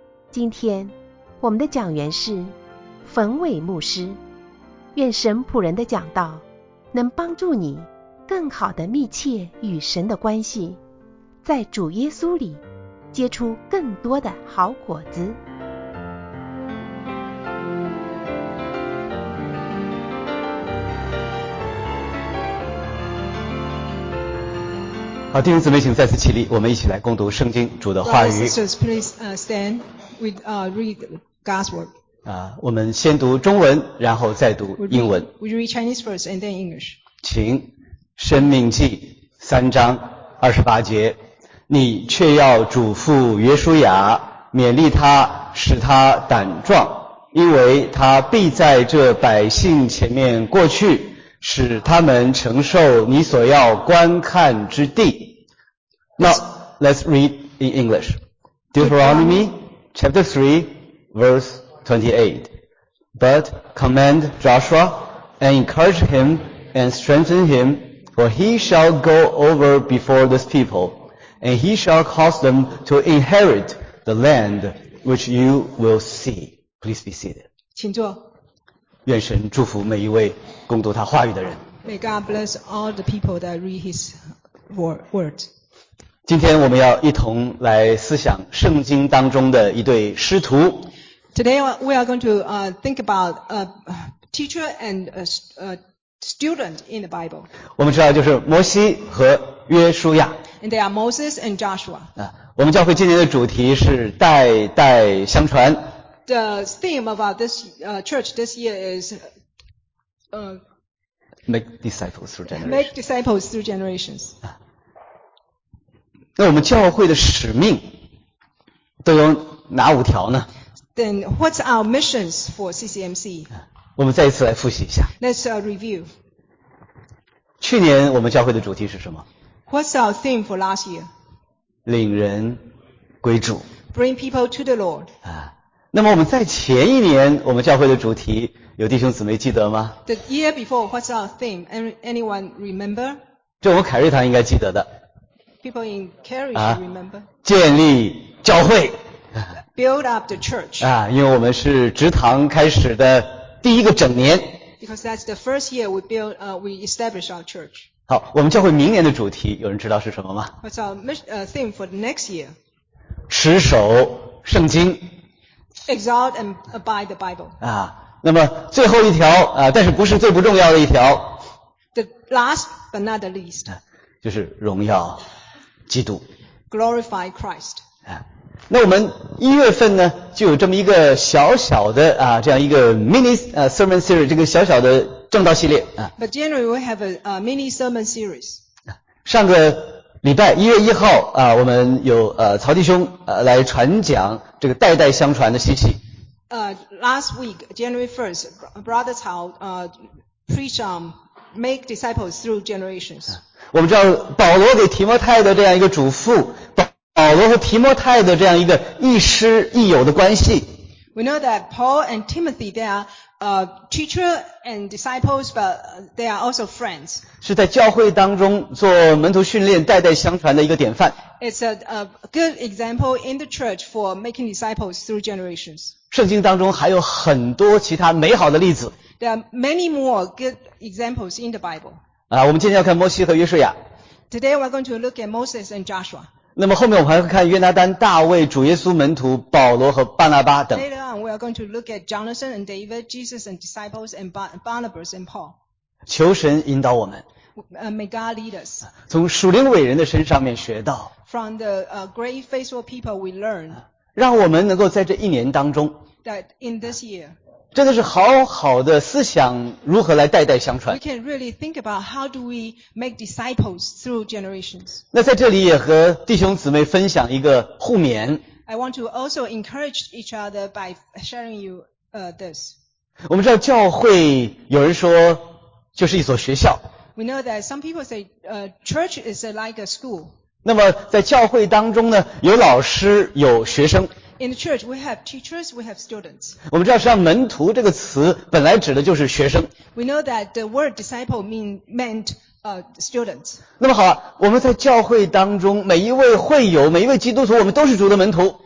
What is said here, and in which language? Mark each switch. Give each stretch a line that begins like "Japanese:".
Chinese: 今天我们的讲员是冯伟牧师，愿神仆人的讲道能帮助你更好地密切与神的关系，在主耶稣里结出更多的好果子。好，弟兄姊妹请再次起立，我们一起来共读圣经，主的话语。
English: Sisters, please stand with read God's word.
Chinese: 我们先读中文，然后再读英文。
English: Would you read Chinese first and then English?
Chinese: 请，申命记三章二十八节，你却要嘱咐约书亚，勉励他，使他胆壮，因为他必在这百姓前面过去，使他们承受你所要观看之地。
English: Now, let's read in English. Deuteronomy chapter 3, verse 28. But command Joshua and encourage him and strengthen him, for he shall go over before this people, and he shall cause them to inherit the land which you will see. Please be seated.
Chinese: 请坐。愿神祝福每一位共读他话语的人。
English: May God bless all the people that read his word.
Chinese: 今天我们要一同来思想圣经当中的一对师徒。
English: Today we are going to think about a teacher and a student in the Bible.
Chinese: 我们知道就是摩西和约书亚。
English: And they are Moses and Joshua.
Chinese: 我们教会今天的主题是代代相传。
English: The theme of this church this year is make disciples through generations. Make disciples through generations.
Chinese: 那我们教会的使命都有哪五条呢？
English: Then what's our missions for CCMC?
Chinese: 我们再一次来复习一下。
English: Let's review.
Chinese: 去年我们教会的主题是什么？
English: What's our theme for last year?
Chinese: 领人归主。
English: Bring people to the Lord.
Chinese: 那么我们在前一年我们教会的主题有弟兄姊妹记得吗？
English: The year before, what's our theme? Anyone remember?
Chinese: 这我们凯瑞堂应该记得的。
English: People in Carrie should remember.
Chinese: 建立教会。
English: Build up the church.
Chinese: 因为我们是职堂开始的第一个整年。
English: Because that's the first year we build, we establish our church.
Chinese: 好，我们教会明年的主题有人知道是什么吗？
English: What's our theme for the next year?
Chinese: 持守圣经。
English: Exalt and abide the Bible.
Chinese: 那么最后一条但是不是最不重要的一条。
English: The last but not the least.
Chinese: 就是荣耀基督。
English: Glorify Christ.
Chinese: 那我们一月份呢就有这么一个小小的这样一个
English: mini sermon series,
Chinese: 这个小小的正道系列。
English: But generally we have a mini sermon series.
Chinese: 上个礼拜一月一号我们有曹弟兄来传讲这个代代相传的信息。
English: Last week, January 1st, Brother Cao, preached on make disciples through generations.
Chinese: 我们知道保罗给提摩太的这样一个嘱咐，保罗和提摩太的这样一个亦师亦友的关系。
English: We know that Paul and Timothy, they are teacher and disciples, but they are also friends.
Chinese: 是在教会当中做门徒训练代代相传的一个典范。
English: It's a good example in the church for making disciples through generations.
Chinese: 圣经当中还有很多其他美好的例子。
English: There are many more good examples in the Bible.
Chinese: 我们今天要看摩西和约书亚。
English: Today we're going to look at Moses and Joshua.
Chinese: 那么后面我们还会看约拿丹、大卫、主耶稣门徒、保罗和巴拿巴等。
English: Later on, we are going to look at Jonathan and David, Jesus and disciples, and Barnabas and Paul.
Chinese: 求神引导我们。
English: May God lead us.
Chinese: 从属灵伟人的身上面学到。
English: From the great faithful people we learn.
Chinese: 让我们能够在这一年当中。
English: That in this year.
Chinese: 真的是好好的思想如何来代代相传。
English: We can really think about how do we make disciples through generations.
Chinese: 那在这里也和弟兄姊妹分享一个互勉。
English: I want to also encourage each other by sharing you this.
Chinese: 我们知道教会有人说就是一所学校。
English: We know that some people say church is like a school.
Chinese: 那么在教会当中呢，有老师，有学生。
English: In the church, we have teachers, we have students.
Chinese: 我们知道实际上门徒这个词本来指的就是学生。
English: We know that the word disciple meant,students.
Chinese: 那么好，我们在教会当中，每一位会友，每一位基督徒，我们都是主的门徒。